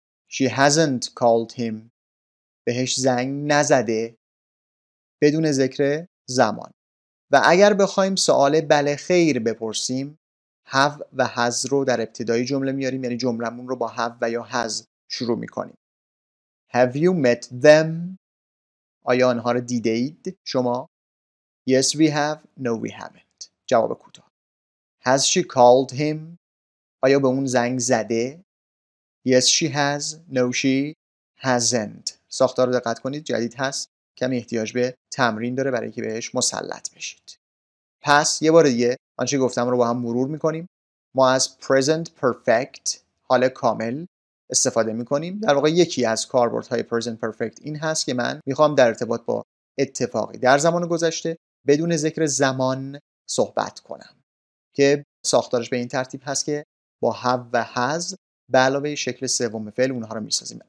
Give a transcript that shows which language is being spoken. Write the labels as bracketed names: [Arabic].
[English] She hasn't called him، [Persian] بهش زنگ نزده، بدون ذکر زمان. و اگر بخوایم سوال بله خیر بپرسیم، have و has رو در ابتدای جمله میاریم، یعنی جمله‌مون رو با have و یا has شروع میکنیم. [English] Have you met them؟ [Persian] آیا آنها رو دیده اید شما؟ [English] Yes we have، no we haven't. [Persian] جواب کوتاه. [English] Has she called him؟ [Persian] آیا به اون زنگ زده؟ [English] Yes she has، no she hasn't. [Persian] ساختار رو دقت کنید، جدید هست، کمی احتیاج به تمرین داره برای که بهش مسلط بشید. پس یه بار دیگه آنچه گفتم رو با هم مرور میکنیم. ما از present perfect، حال کامل، استفاده میکنیم. در واقع یکی از کاربردهای present perfect این هست که من میخوام در ارتباط با اتفاقی در زمان گذشته بدون ذکر زمان صحبت کنم، که ساختارش به این ترتیب هست که با have و has به علاوه شکل سوم فعل اونها رو میسازیم.